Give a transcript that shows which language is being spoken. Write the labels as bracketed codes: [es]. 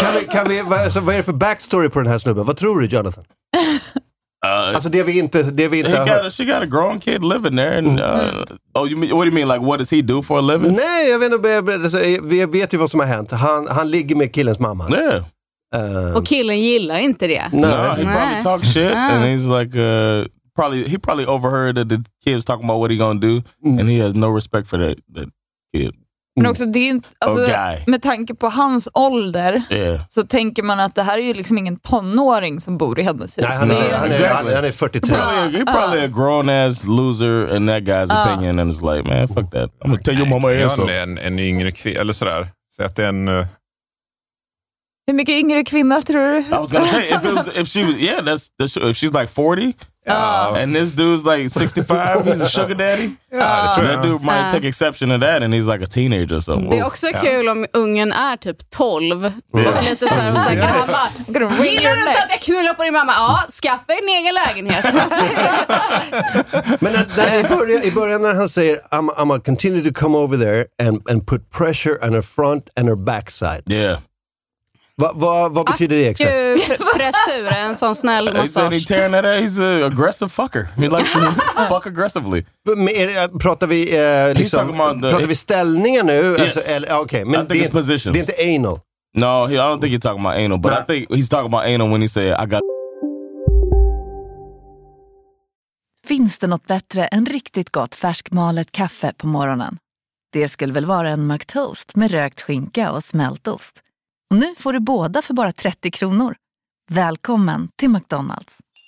[sv] Kan vi, vad är det för backstory på den här snubben? Vad tror du, Jonathan? Alltså det vi inte har hört. [en] She got a grown kid living there. What do you mean, what does he do for a living? [sv] Nej, jag vet inte. Vi vet ju vad som har hänt. Han ligger med killens mamma. [en] Yeah. [sv] Och killen gillar inte det. [en] No, he probably talk shit. And he's like, he probably overheard that the kid's talking about what he gonna do. Mm. And he has no respect for that kid. [sv] Men också, det är inte, alltså, med tanke på hans ålder, så tänker man att det här är ju liksom ingen tonåring som bor i hennes hus. Nej, han är 43. [en] He's probably a grown ass loser in that guy's opinion, and it's like, man, fuck that. I'm gonna tell your mama he's so. [sv] En yngre kvinna, eller sådär. Så att det är en... Hur mycket yngre kvinna tror du? [en] I was gonna say, if she's like 40... And this dude's like 65. He's a sugar daddy. That dude might take exception to that, and he's like a teenager or something. [sv] Det är också kul om ungen är typ 12 och lite så här, och säger han bara, gillar du att jag knullar på din mamma? Ja, skaffa en egen lägenhet. Men i början när han säger [en] I'm gonna continue to come over there and put pressure on her front and her backside. Yeah. [sv] Vad betyder det exakt? Pressur, en sån snäll massage. [en] He's an aggressive fucker. He likes to fuck aggressively. [sv] Pratar vi ställningen nu? [en] Yes. [sv] Det är inte anal. [en] No, I don't think he's talking about anal, but I think he's talking about anal when he say I got. [sv] Finns det något bättre än riktigt gott färskmalet kaffe på morgonen? Det skulle väl vara en McToast med rökt skinka och smältost. Och nu får du båda för bara 30 kronor. Välkommen till McDonald's.